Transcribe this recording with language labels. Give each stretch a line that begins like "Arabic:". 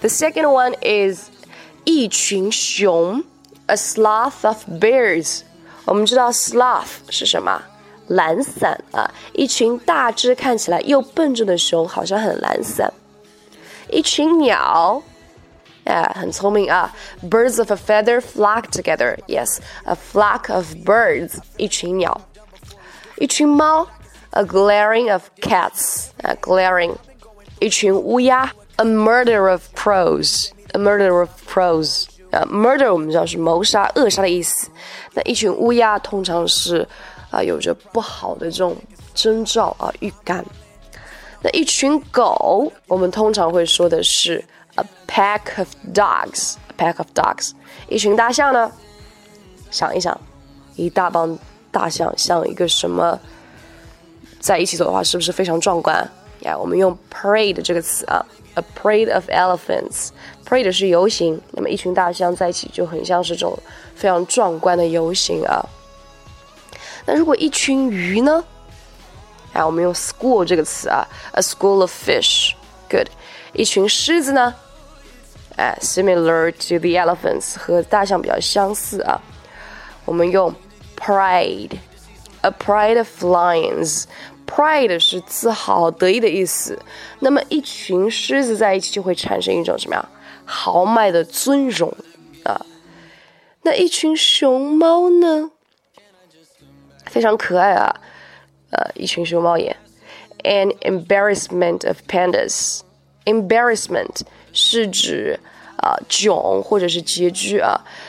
English: The second one is
Chinese: 一群熊
English: ，a sloth of bears。
Chinese: 我们知道 sloth 是什么？懒散啊，一群大只看起来又笨重的熊好像很懒散。一群鸟，很聪明啊。
English: Birds of a feather flock together. Yes, a flock of birds.
Chinese: 一群鸟。一群猫
English: ，a glaring of cats. Glaring.
Chinese: 一群乌鸦
English: ，a murder of crows. A murder of crows.
Chinese: Murder 我们知道是谋杀、扼杀的意思。那一群乌鸦通常是。有着不好的这种征兆啊，预感。那一群狗，我们通常会说的是
English: a pack of dogs， a pack of dogs。
Chinese: 一群大象呢？想一想，一大帮大象像一个什么在一起走的话，是不是非常壮观？我们用 parade 这个词啊，
English: a parade of elephants。
Chinese: parade 是游行，那么一群大象在一起就很像是这种非常壮观的游行啊。那如果一群鱼呢？我们用 school 这个词啊，
English: a school of fish， good。
Chinese: 一群狮子呢？
English: similar to the elephants，
Chinese: 和大象比较相似啊。我们用 pride，
English: a pride of lions，
Chinese: pride 是自豪得意的意思。那么一群狮子在一起就会产生一种什么呀？豪迈的尊荣啊。那一群熊猫呢？非常可爱啊，一群熊猫也。
English: An embarrassment of pandas. Embarrassment
Chinese: 是指囧或者是拮据啊。